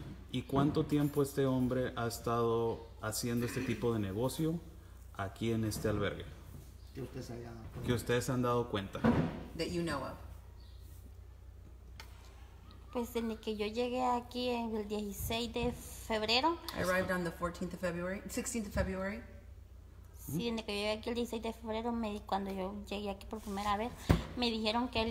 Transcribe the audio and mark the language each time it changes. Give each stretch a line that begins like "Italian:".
Spanish: ¿Y cuánto tiempo este hombre ha estado haciendo este tipo de negocio aquí en este albergue? Que ustedes han dado cuenta.
English: That you know of.
Spanish: Pues desde que yo llegué aquí en el 16 de febrero.
English: I arrived on the 14th of February, 16th of February.
Spanish: Sí, desde que yo llegué aquí el 16 de febrero, cuando yo llegué aquí por primera vez, me dijeron que